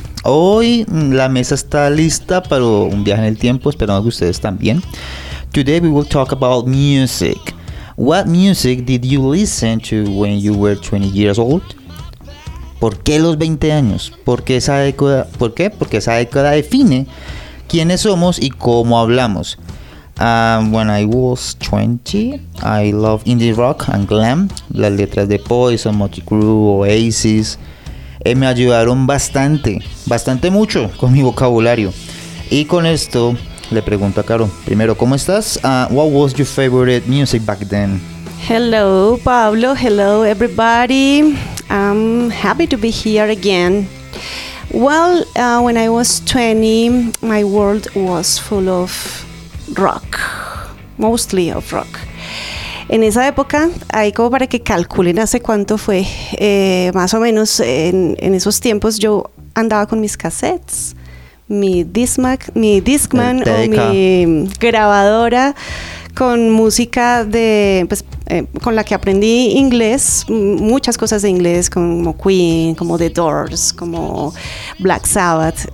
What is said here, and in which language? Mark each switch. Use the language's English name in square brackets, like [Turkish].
[Spanish] Hoy la mesa está lista para un viaje en el tiempo, esperamos que ustedes también. [English] Today we will talk about music. What music did you listen to when you were 20 years old? [Spanish] ¿Por qué los 20 años? ¿Por qué esa década define quiénes somos y cómo hablamos? [English] When I was 20, I loved indie rock and glam. [Spanish] Las letras de Poison, Motley Crue, Oasis. Me ayudaron bastante mucho con mi vocabulario. Y con esto le pregunto a Caro, primero, ¿cómo estás? [English] What was your favorite music back then? Hello, Pablo. Hello, everybody. I'm happy to be here again. When I was 20, my world was full of rock, mostly of rock. [Spanish] En esa época, ahí como para que calculen hace cuánto fue, más o menos en esos tiempos, yo andaba con mis cassettes, mi Discman o mi grabadora con música de, con la que aprendí inglés, muchas cosas de inglés, como Queen, como The Doors, como Black Sabbath.